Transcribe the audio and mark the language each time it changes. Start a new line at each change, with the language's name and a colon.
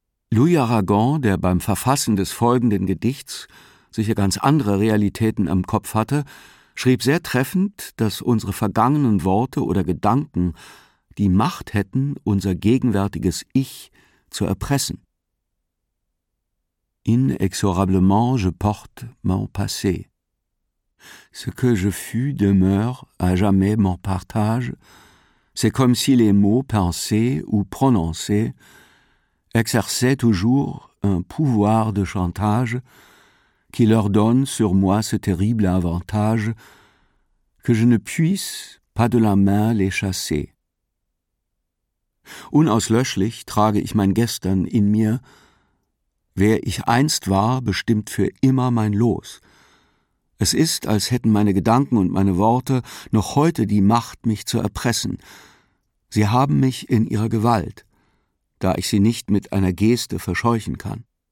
German: Louis Aragon, der beim Verfassen des folgenden Gedichts sicher ganz andere Realitäten im Kopf hatte, schrieb sehr treffend, dass unsere vergangenen Worte oder Gedanken die Macht hätten, unser gegenwärtiges Ich zu erpressen.
French: Inexorablement je porte mon passé. Ce que je fus demeure à jamais mon partage, c'est comme si les mots pensés ou prononcés exerçaient toujours un pouvoir de chantage qui leur donne sur moi ce terrible avantage que je ne puisse pas de la main les chasser.
German: Unauslöschlich trage ich mein Gestern in mir, wer ich einst war, bestimmt für immer mein Los. Es ist, als hätten meine Gedanken und meine Worte noch heute die Macht, mich zu erpressen. Sie haben mich in ihrer Gewalt, da ich sie nicht mit einer Geste verscheuchen kann.